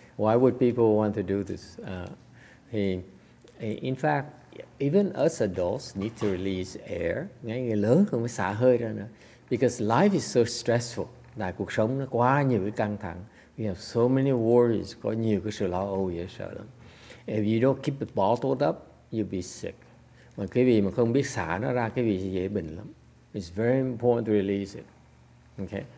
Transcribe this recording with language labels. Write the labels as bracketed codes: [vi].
[en] Why would people want to do this? Thì, in fact, even us adults need to release air. [vi] Ngay người lớn cũng phải xả hơi ra nữa. [en] Because life is so stressful. [vi] Là cuộc sống nó quá nhiều cái căng thẳng. [en] We have so many worries. [vi] Có nhiều cái sự lo âu dễ sợ lắm. [en] If you don't keep it bottled up, you'll be sick. [vi] Mà cái gì mà không biết xả nó ra, cái gì dễ bệnh lắm. [en] It's very important to release it. Okay?